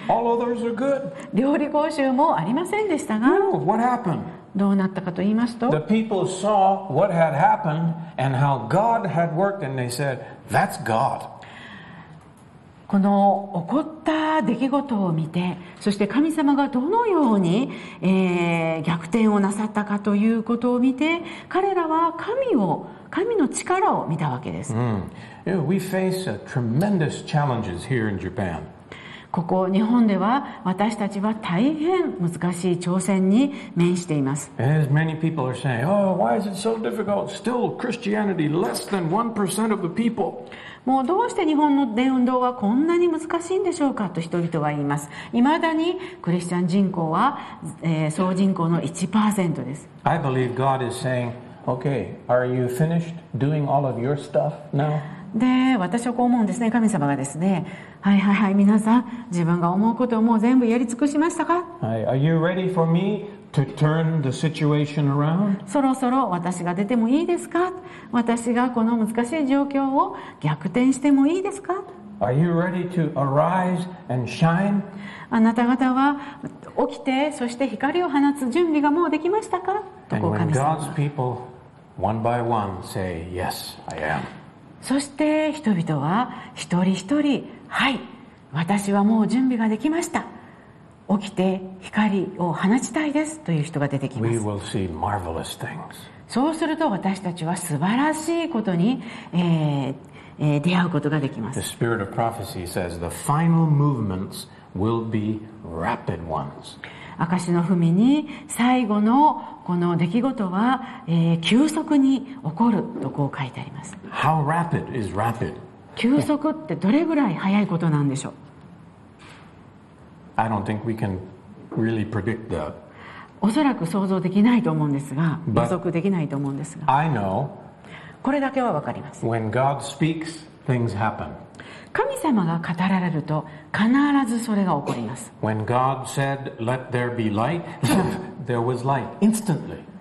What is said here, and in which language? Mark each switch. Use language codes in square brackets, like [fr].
[en] All of those are good. [ja] 料理講習もありませんでしたが、 [en] No, what happened? [ja] どうなったかと言いますと、 [en] The people saw what had happened and how God had worked and they said, That's God. [ja] この起こった出来事を見て、そして神様がどのように、逆転をなさったかということを見て、彼らは神の力を見たわけです。 [en] Mm. We face tremendous challenges here in Japan. [ja] ここ日本では私たちは大変難しい挑戦に面しています。 [en] As many people are saying, oh, why is it so difficult? Still Christianity less than 1% of the people. [ja] もうどうして日本の伝道はこんなに難しいんでしょうかと人々は言います。いまだにクリスチャン人口は、総人口の 1% です。 [en] I believe God is saying, okay, are you finished doing all of your stuff now? [ja] で私はこう思うんですね。神様がですね、はいはいはい、皆さん自分が思うことをもう全部やり尽くしましたか、はい、 [en] Are you ready for me to turn the situation around? [ja] そろそろ私が出てもいいですか、私がこの難しい状況を逆転してもいいですか。 [en] Are you ready to arise and shine? [ja] あなた方は起きて、そして光を放つ準備がもうできましたか。とこう神様、 [en] And when God's people one by one say, yes, I am. [ja] そして人々は一人一人、はい、私はもう準備ができました、起きて光を放ちたいですという人が出てきます。 [en] We will see marvelous things. [ja] そうすると私たちは素晴らしいことに、出会うことができます。 [en] The spirit of prophecy says the final movements will be rapid ones. [ja] 証の踏みに最後のこの出来事は、急速に起こるとこう書いてあります。 [en] How rapid is rapid? [ja] 急速ってどれぐらい早いことなんでしょう。 [en] I don't think we can really predict that. [ja] おそらく想像できないと思うんですが、予測できないと思うんですが、 [en] But I know [ja] これだけは分かります。 [en] When God speaks, things happen. [ja] 神様が語られると必ずそれが起こります。 [en] When God said, let there be light, there was light instantly.